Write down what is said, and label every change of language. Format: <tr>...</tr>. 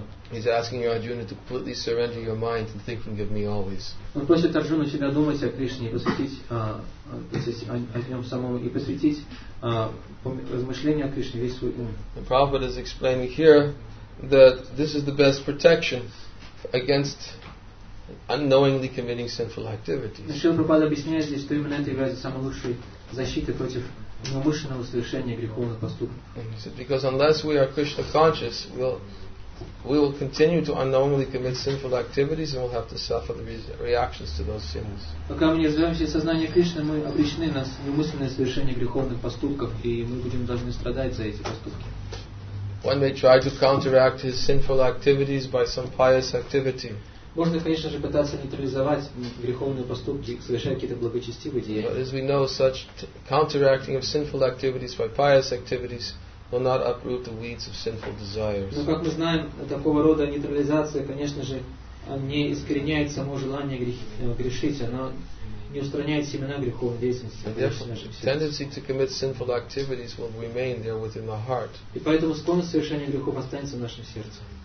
<en>He's asking Arjuna to completely surrender your mind and think and give me always.</en> <ru>Он просит Арджуну всегда думать о Кришне и посвятить о нем самому и посвятить размышлению о Кришне весь свой ум.</ru> <en>The Prabhupada is explaining here that this is the best protection against unknowingly committing sinful activities.</en> <ru>Шрила Прабхупада объясняет здесь, что именно это является самой лучшей защитой против неумышленного совершения греховных поступков.</ru> <en>Because unless we are Krishna conscious, we will continue to unknowingly commit sinful activities and we'll have to suffer the reactions to those sins.</en> <ru>Пока мы не развиваемся в сознании Кришны, мы обречены на неумышленное совершение греховных поступков, и мы будем должны страдать за эти поступки.</ru> <en>One may try to counteract his sinful activities by some pious activity.</en> <ru>Можно, конечно же, пытаться нейтрализовать греховные поступки, совершая какие-то благочестивые деяния.</ru> <en>But as we know, such counteracting of sinful activities by pious activities will not uproot the weeds of sinful desires.</en> <ru>Но как мы знаем, такого рода нейтрализация, конечно же, не искореняет само желание грешить, она не устраняет семена греховной деятельности.</ru> <en>And therefore, tendency to commit sinful activities will remain there within the heart.</en> <ru>И поэтому склонность совершения грехов останется в нашем сердце.</ru>